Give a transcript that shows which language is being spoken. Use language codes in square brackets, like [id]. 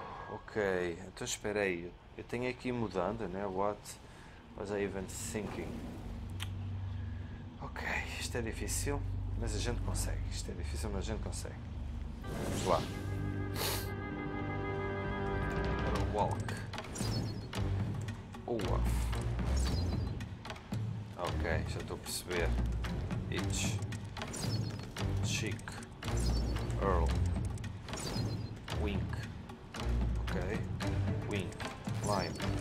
[pt] Ok, então espera aí, eu tenho aqui mudando, né? [en] What was I even thinking? [pt] Ok, isto é difícil, mas a gente consegue, isto é difícil, mas a gente consegue. Vamos lá. [en] Walk. Uaf. [pt] Ok, já estou a perceber. Itch. Chic. Earl. Wink. Ok. Wink. Lime.